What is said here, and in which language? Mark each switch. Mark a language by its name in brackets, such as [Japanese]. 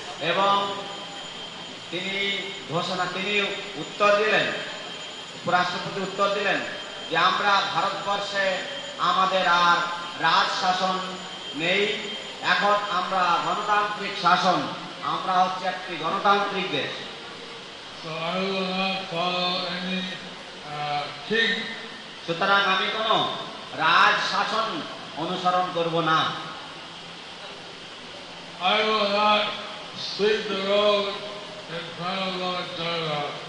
[Bangla] এবং তিনি ঘোষণা তিনি উত্তর দিলেন উপরাষ্ট্রপতি উত্তর দিলেন যে আমরা ভারতবর্ষে আমাদের আর রাজ শাসন নেই এখন আমরা গণতান্ত্রিক শাসন আমরা হচ্ছে একটি গণতান্ত্রিক দেশ [English] So I will not follow any king. [Bangla] সুতরাং আমি কোনো রাজ শাসন অনুসরণ করব না [English] I will not sweep the road in front of Lord Jagannatha.